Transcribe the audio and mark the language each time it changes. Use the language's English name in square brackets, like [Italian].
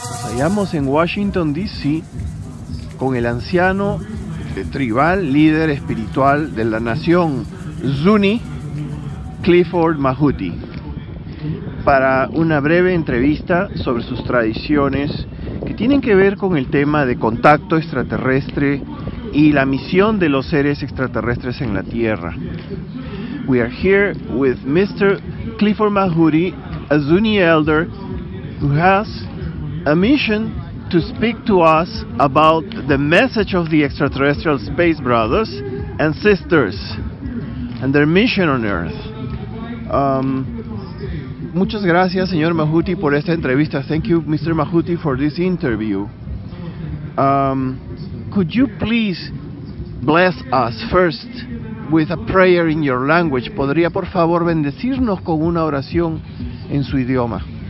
[Spanish] Estamos en Washington, D.C., con el anciano tribal, líder espiritual de la nación Zuni, Clifford Mahuti, para una breve entrevista sobre sus tradiciones que tienen que ver con el tema de contacto extraterrestre y la misión de los seres extraterrestres en la Tierra. [English] We are here with Mr. Clifford Mahuti, a Zuni elder who has a mission to speak to us about the message of the extraterrestrial space brothers and sisters and their mission on Earth. [Spanish] Muchas gracias, señor Mahuti, por esta entrevista. [English] Thank you, Mr. Mahuti, for this interview. Could you please bless us first with a prayer in your language? [Spanish] ¿Podría, por favor, bendecirnos con una oración en su idioma?